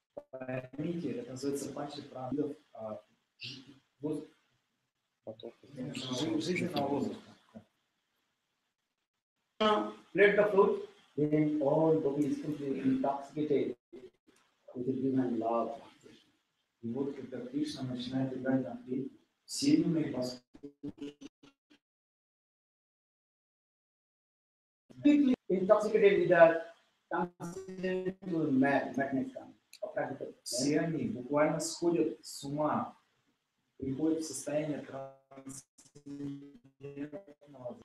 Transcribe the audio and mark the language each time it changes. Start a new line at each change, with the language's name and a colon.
Russian: Поймите, это называется панчи прана, жизненного воздуха.
English: Krishna played the flute, then all gopis completely intoxicated with the human love.
Russian: И вот когда Кришна начинает играть на флейте, все юные послушники
English: intoxicated with the transcendental magnetism.
Russian: Все они буквально сходят с ума, приходят в состояние трансцендентного